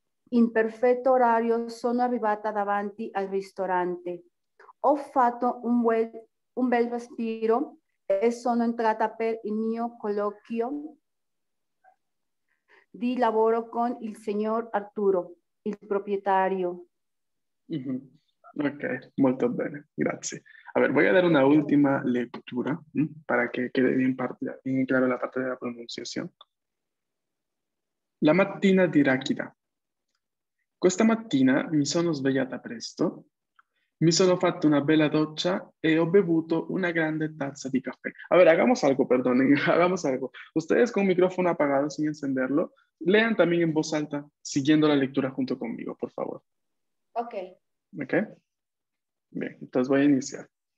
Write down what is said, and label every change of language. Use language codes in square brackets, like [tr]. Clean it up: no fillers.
[it] In perfetto orario sono arrivata davanti al ristorante. Ho fatto un bel respiro e sono entrata per il mio colloquio di lavoro con il signor Arturo, il proprietario. Ok, molto bene, grazie. [es] A ver, voy a dar una última lectura, para que quede bien claro la parte de la pronunciación. [it] La mattina di Rachida. Questa mattina mi sono svegliata presto. Mi sono fatto una bella doccia e ho bevuto una grande tazza di caffè. [es] A ver, hagamos algo, perdonen, hagamos algo. Ustedes con micrófono apagado, sin encenderlo, lean también en voz alta, siguiendo la lectura junto conmigo, por favor. Ok. Ok. Bien, entonces voy a iniciar.